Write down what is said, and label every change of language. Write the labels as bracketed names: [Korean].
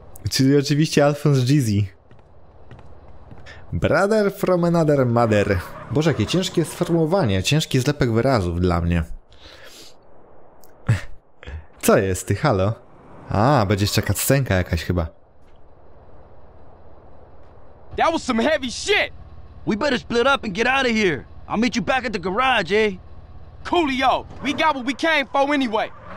[Polish] Czyli oczywiście Alphonse Jeezy. [English] Brother from another mother. [Polish] Boże, jakie ciężkie sformułowanie, ciężki zlepek wyrazów dla mnie. Co jest ty, halo? A, będziesz jeszcze cutscenka jakaś chyba. [English] That was some heavy shit. We better split up and get out of here. I'll meet you back at the garage, eh? Coolio, we got what we came for anyway.